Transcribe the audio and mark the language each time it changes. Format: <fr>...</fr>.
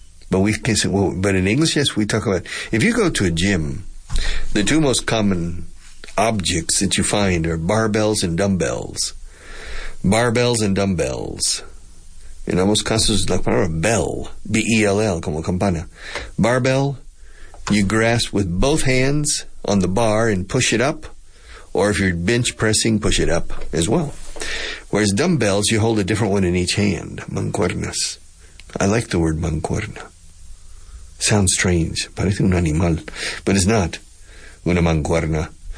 <en>But we can say, but in English, yes, we talk about, if you go to a gym, the two most common objects that you find are barbells and dumbbells. Barbells and dumbbells.</en> <es>En ambos casos, la palabra bell, B-E-L-L, como campana.</es> <en>Barbell, you grasp with both hands on the bar and push it up, or if you're bench pressing, push it up as well. Whereas dumbbells, you hold a different one in each hand, mancuernas. I like the word mancuerna. Sounds strange.</en> <es>Parece un animal.</es> <en>But it's not.</en> <es>Una mancuerna.</es>